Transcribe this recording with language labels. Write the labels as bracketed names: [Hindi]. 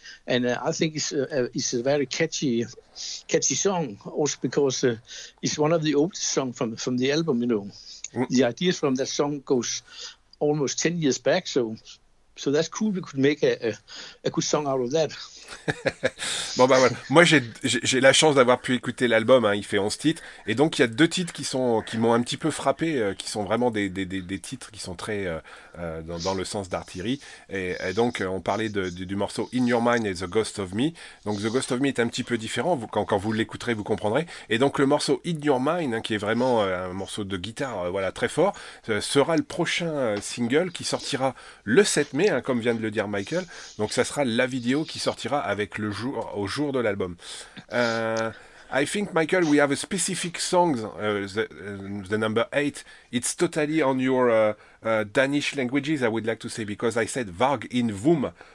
[English] And I think it's a very catchy song, also because it's one of the oldest songs from the album, you know. The ideas from that song goes almost 10 years back, so... So that's cool. We could make a good song out of that. [French] Bon bah voilà. Moi j'ai la chance d'avoir pu écouter l'album. Hein. Il fait 11 titres et donc il y a deux titres qui m'ont un petit peu frappé, qui sont vraiment des titres qui sont très dans le sens d'artillerie. Et donc on parlait du morceau In Your Mind et The Ghost of Me. Donc The Ghost of Me est un petit peu différent. Quand vous l'écouterez, vous comprendrez. Et donc le morceau In Your Mind, hein, qui est vraiment un morceau de guitare, très fort, sera le prochain single qui sortira le 7 mai. Mais, hein, comme vient de le dire Michael, donc ça sera la vidéo qui sortira avec au jour de l'album. [English] I think, Michael, we have a specific song, the number 8. It's totally on your Danish languages, I would like to say, because I said Varg in Vum.